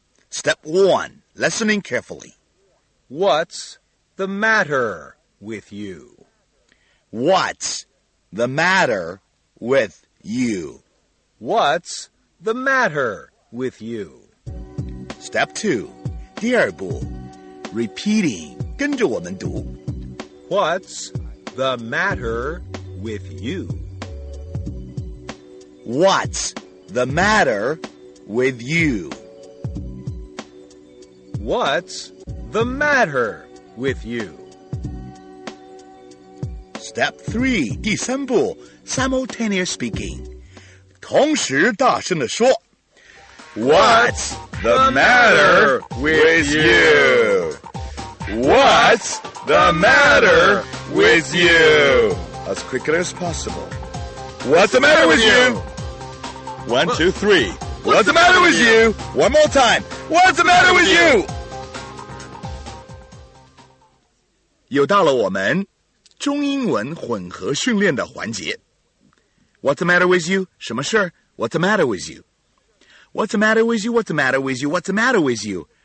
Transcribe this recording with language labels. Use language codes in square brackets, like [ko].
[en] Step 1. Listening carefully. What's the matter with you? What's the matter with you? What's the matter with you? Step 2. [zh] 第二步, [en] repeating, [zh] 跟着我们读. [en] What's the matter with you? What's the matter with you? What's the matter with you? Step 3, [zh] 第三步, [en] simultaneous speaking, [zh] 同时大声地说, [en] What's the matter with you? What's the matter with you? As quickly as possible. What's the matter with you? 1, 2, 3. What's the matter with you? One more time. What's the matter with you? [zh] 又到了我们 中英文混合训练的环节. [en] What's the matter with you? [zh] 什么事儿? [en] What's the matter with you? What's the matter with you? What's the matter with you? What's the matter with you?